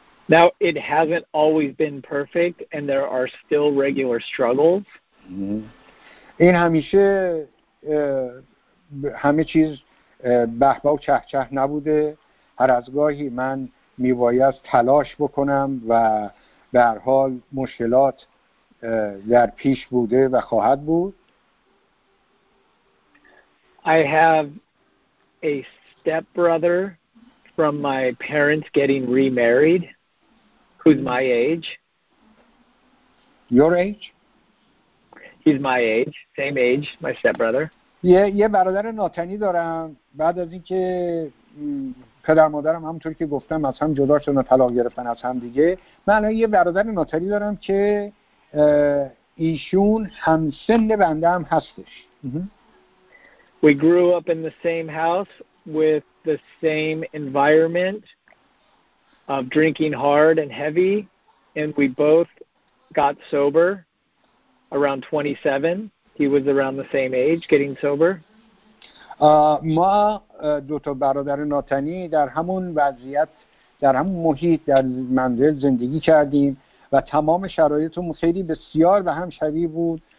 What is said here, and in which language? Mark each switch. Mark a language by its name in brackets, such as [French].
[English] Now, it hasn't always been perfect, and there are still regular struggles. [Persian] این همیشه همه چیز بهبه و چهچه نبوده. هر از گاهی من میباید تلاش بکنم و به هر حال مشکلات در پیش بوده و خواهد بود. [English] I have a stepbrother from my parents getting remarried who's my age. Your age? He's my age, same age, my stepbrother. [Persian] یه برادر ناتنی دارم بعد از اینکه پدر مادرم همونطور که گفتم از هم جدا شدن و طلاق گرفتن از هم دیگه، من یه برادر ناتنی دارم که ایشون همسن بنده هم هستش. [English] We grew up in the same house with the same environment of drinking hard and heavy, and we both got sober around 27. He was around the same age getting sober. [Persian] ما دو تا برادر ناتنی در همون وضعیت، در همون محیط، در منزل زندگی کردیم و تمام شرایطمون خیلی بسیار به هم شبیه بود.